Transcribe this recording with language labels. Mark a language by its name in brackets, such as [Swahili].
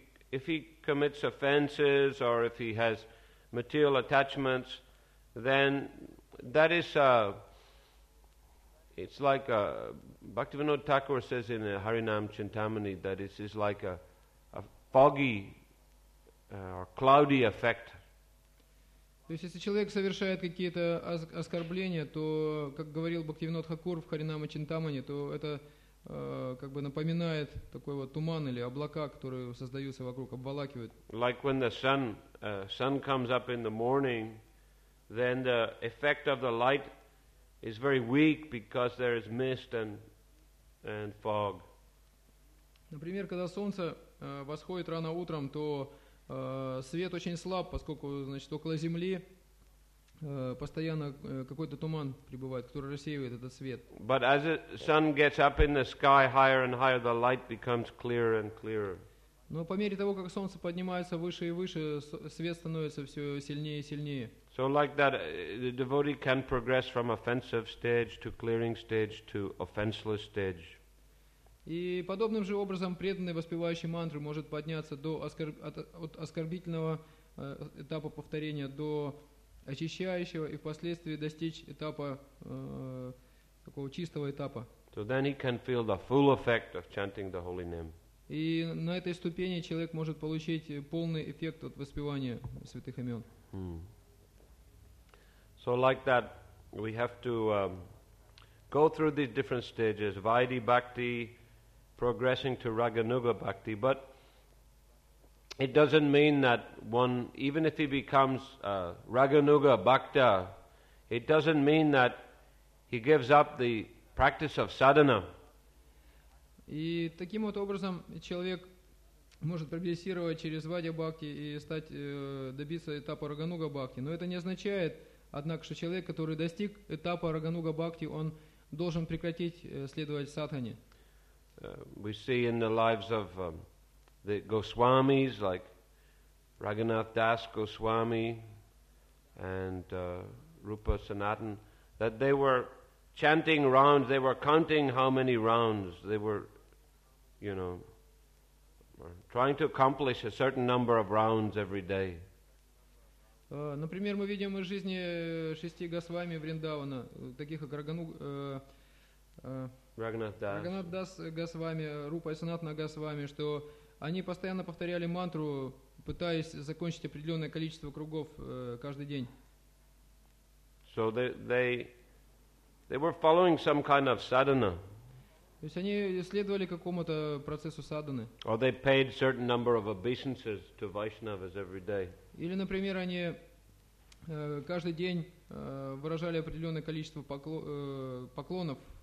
[English] If he commits offenses or if he has material attachments, then that is it's like Bhaktivinoda Thakur says in Harinam Chintamani that it is like a foggy or cloudy effect. [Russian] То есть если человек совершает какие-то оскорбления, то, как говорил Бхактивинода Хакур в Харинама Чинтамани, то это как бы напоминает такой вот туман или облака, которые создаются вокруг, обволакивают. [English] Like when the sun comes up in the morning, then the effect of the light is very weak because there is mist and fog. [Russian] Например, когда солнце восходит рано утром, то свет очень слаб, поскольку, значит, около земли постоянно какой-то туман прибывает, который рассеивает этот свет. [English] But as the sun gets up in the sky higher and higher, the light becomes clearer and clearer. [Russian] Но по мере того, как солнце поднимается выше и выше, свет становится все сильнее и сильнее. [English] So like that, the devotee can progress from offensive stage to clearing stage to offenseless stage. [Russian] И подобным же образом преданный, воспевающий мантру, может подняться до от оскорбительного этапа повторения до очищающего и впоследствии достичь этапа такого чистого этапа. [English] So then he can feel the full effect of chanting the holy name. [Russian] И на этой ступени человек может получить полный эффект от воспевания святых имен. Hmm. [English] So like that, we have to go through these different stages, Vaidhi Bhakti, progressing to Raganuga Bhakti, but it doesn't mean that one, even if he becomes Raganuga Bhakta, it doesn't mean that he gives up the practice of sadhana. [Russian] И таким вот образом человек может прогрессировать через Вайдя Бхакти и стать добиться этапа Рагануга Бхакти, но это не означает, однако, что человек, который достиг этапа Рагануга Бхакти, он должен прекратить следовать садхане. [English] We see in the lives of the Goswamis, like Raghunath Das Goswami and Rupa Sanatan, that they were chanting rounds, they were counting how many rounds, they were, you know, trying to accomplish a certain number of rounds every day. [Russian] Например, мы видим из жизни шести Госвами Вриндавана, таких как Raghunath Das Госвами, Рупа Санатана Госвами, что они постоянно повторяли мантру, пытаясь закончить определенное количество кругов каждый день. [English] So they were following some kind of sadhana. [Russian] То есть они следовали какому-то процессу садханы. [English] Or they paid certain number of obeisances to Vaishnavas every day. [Russian] Или, например, они каждый день выражали определенное количество поклонов.